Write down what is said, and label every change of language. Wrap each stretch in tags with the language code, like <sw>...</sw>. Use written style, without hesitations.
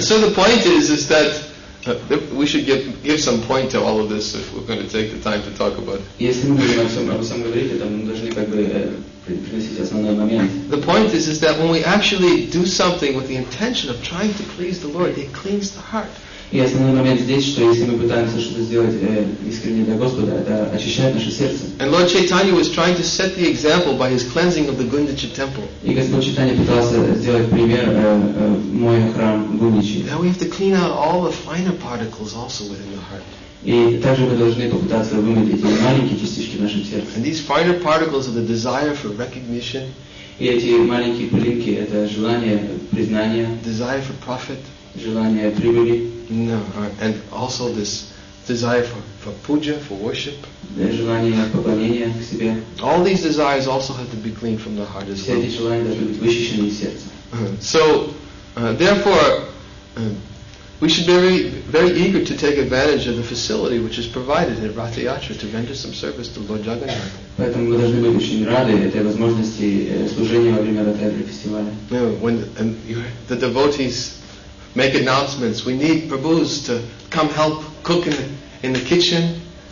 <en>So the point is that we should give some point to all of this if we're going to take the time to talk about it. The point is that when we actually do something with the intention of trying to please the Lord, it cleans the heart.</en> <ru>И основной момент здесь, что если мы пытаемся что-то сделать искренне для Господа, это очищает наше сердце.</ru> <en>And Lord Chaitanya was trying to set the example by his cleansing of the Гундича temple.</en> <ru>И Господь Чайтанья пытался сделать пример мой храм Гундичи.</ru> <en>Now we have to clean out all the finer particles also within the heart.</en> <ru>И также мы должны попытаться вымыть эти маленькие частички в нашем сердце.</ru> <en>And these finer particles are the desire for recognition.</en> <ru>И эти маленькие пылинки – это желание признания.</ru> <en>Desire for profit.</en> <ru>Желание прибыли.</ru> <en>No, and also this desire for puja, for worship. All these desires also have to be cleaned from the heart as well. So, therefore, we should be very, very eager to take advantage of the facility which is provided at Ratha Yatra to render some service to Lord Jagannath.</en> <ru>Поэтому мы должны быть очень рады этой возможности служения во время Ratha Yatra фестиваля.</ru> <en>No, when the devotees make announcements. We need Prabhus to come help cook in the kitchen.</en>